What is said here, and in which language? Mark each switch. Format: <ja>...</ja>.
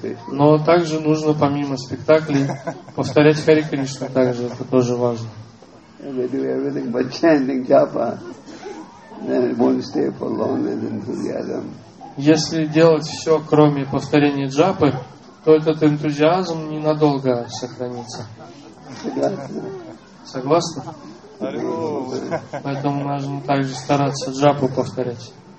<ru>Но также нужно помимо спектаклей повторять Хари Кришна также, это тоже важно.</ru> <en>They do everything but chanting Japa. Then it won't stay for long and enthusiasm.</en> <ru>Если делать все, кроме повторения джапы, то этот энтузиазм ненадолго сохранится. Согласны? Поэтому нужно также стараться джапу повторять.</ru>